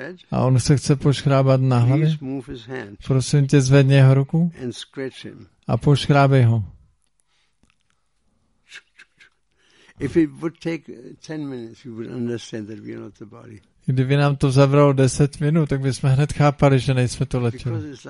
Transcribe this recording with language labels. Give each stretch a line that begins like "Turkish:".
Czech: A on se chce poškrábat na hlavě. Prosím tě, zvedni jeho ruku. A poškrábej ho.
English: If it would take 10 minutes, you would understand that we are not the body.
Czech: Kdyby nám to zabralo 10 minut, tak bychom hned chápali, že nejsme to letěli.